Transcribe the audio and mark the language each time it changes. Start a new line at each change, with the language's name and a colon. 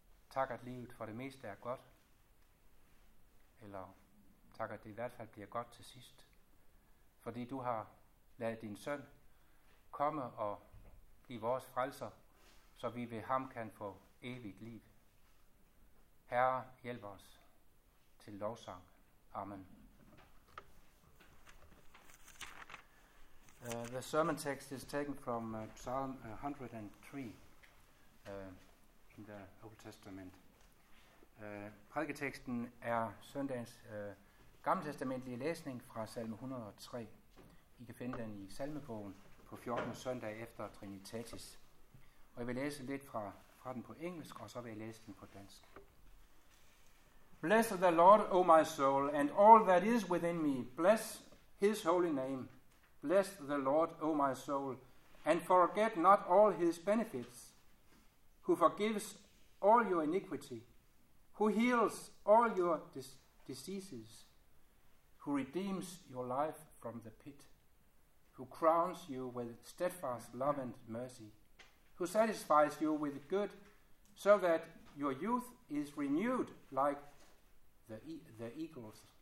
Danish: Tak, at livet for det meste er godt, eller tak, at det i hvert fald bliver godt til sidst, fordi du har ladet din søn komme og blive vores frelser, så vi ved ham kan få evigt liv. Herre, hjælp os til lovsang. Amen.
English: The sermon text is taken from Psalm 103 in the Old Testament.
Danish: Prædiketeksten er søndagens gammeltestamentlige læsning fra Salme 103. I kan finde den i salmebogen på 14. søndag efter Trinitatis. Og jeg vil læse lidt fra den på engelsk, og så vil jeg læse den på dansk.
English: Bless the Lord, O my soul, and all that is within me. Bless his holy name. Bless the Lord, O my soul, and forget not all his benefits, who forgives all your iniquity, who heals all your diseases, who redeems your life from the pit, who crowns you with steadfast love and mercy, who satisfies you with good, so that your youth is renewed like the eagles.